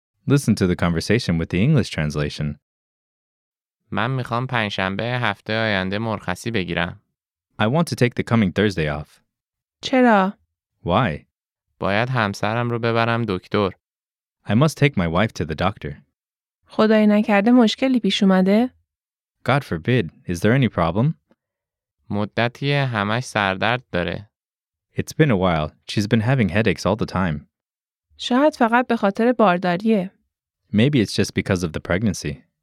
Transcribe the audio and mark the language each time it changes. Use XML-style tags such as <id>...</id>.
<en>Listen to the conversation with the English translation.</en> <fa>من میخوام پنجشنبه هفته آینده مرخصی بگیرم.</fa> <en>I want to take the coming Thursday off.</en> <fa>چرا؟</fa> <en>Why?</en> <fa>باید همسرم رو ببرم دکتر.</fa> <en>I must take my wife to the doctor.</en> <fa>خدای نکرده مشکلی پیش اومده؟</fa> <en>God forbid, is there any problem?</en> <fa>مدتیه همش سردرد داره.</fa> <en>It's been a while. She's been having headaches all the time.</en> <fa>شاید فقط به خاطر بارداریه.</fa> <en>Maybe it's just because of the pregnancy.</en>